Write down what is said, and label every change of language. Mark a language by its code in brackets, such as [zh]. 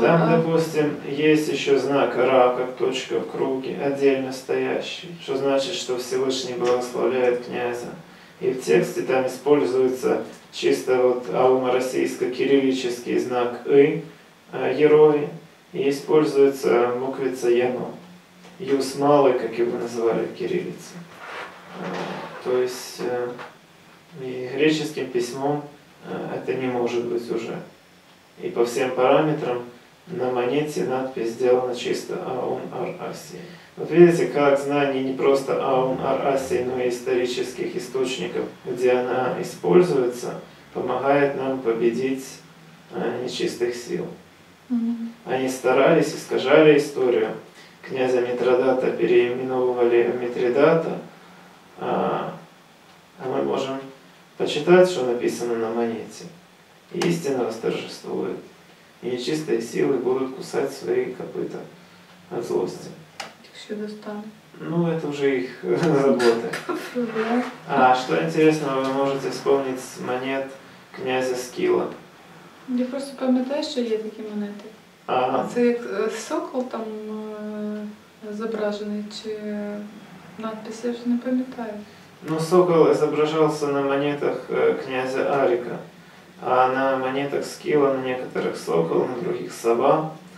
[uk] Там, допустим, є ще знак рака, точка в кругі, віддільно стоящий, що значить, що Всевишній благословляє князя. І в тексті там використовується чисто от аумаросійсько-кирилічний знак «и», герої, і використовується буквиця «яно». [ru] Юс малый, как его называли в кириллице. То есть греческим письмом это не может быть уже. И по всем параметрам на монете надпись сделана чисто Аум Ар Асии. Вот видите, как знание не просто Аум Ар Асии, но и исторических источников, где она используется, помогает нам победить нечистых сил. Они старались, искажали историю. Князя Митридата переименовывали в Митридата, А мы можем почитать, что написано на монете. Истина восторжествует, и нечистые силы будут кусать свои копыта от злости. Так еще достану. Ну, это уже их работа. А что интересного вы можете вспомнить с монет князя Скила? [uk] Я просто пам'ятаю, що є такі монети. Ага. Це як сокол там зображений, чи надпис, я вже не пам'ятаю. Ну, сокол зображався на монетах князя Аріка, а на монетах Скіла, [ru] на некоторых сокол, на других сова.